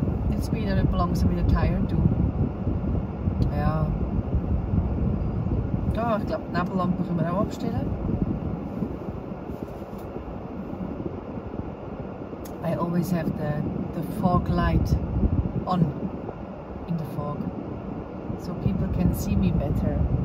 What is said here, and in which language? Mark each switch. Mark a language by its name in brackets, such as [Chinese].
[English] It's been a bit long, so we're tired too. [German] Ja. Oh, ich glaube, die Nebellampe können wir auch abstellen. [English] I always have the fog light on in the fog, so people can see me better.